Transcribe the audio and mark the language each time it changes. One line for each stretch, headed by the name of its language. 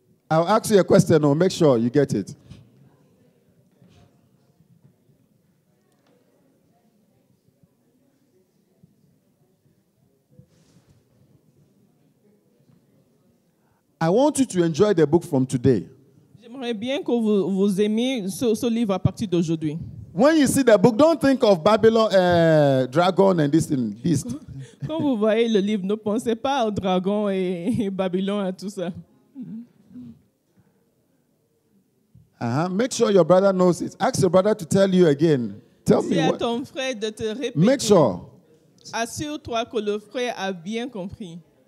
English: I'll ask you a question, or make sure you get it. I want you to enjoy the book from today.
French: J'aimerais bien que vous aimiez ce livre à partir d'aujourd'hui.
English: When you see the book, don't think of Babylon, dragon, and this thing, beast.
French: Quand vous voyez le livre, ne pensez pas au dragon et Babylon et tout ça.
English: Uh-huh. Make sure your brother knows it. Ask your brother to tell you again. Tell
French: dis
English: me.
French: À ton frère de te répéter.
English: Make sure.
French: Assure-toi que le frère a bien compris.